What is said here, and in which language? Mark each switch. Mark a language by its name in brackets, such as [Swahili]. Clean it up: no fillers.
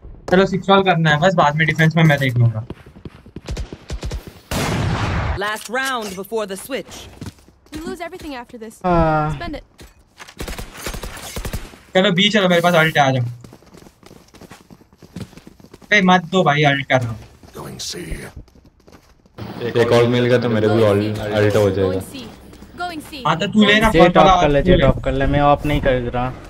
[Hindi] चलो सिक्सवाल करना है बस बाद में डिफेंस में मैं देख लूँगा. [English] Last round before the switch. You lose everything after this. Spend it. [Hindi] चलो बी चलो मेरे पास अल्ट आ जाओ. अरे मत दो भाई अल्ट कर रहा हूँ. एक ऑल मिल गया तो मेरे भी ऑल अल्ट हो जाएगा हां तो तू ले ना फर्स्ट टॉप कर ले जे टॉप कर ले मैं ऑफ नहीं कर रहा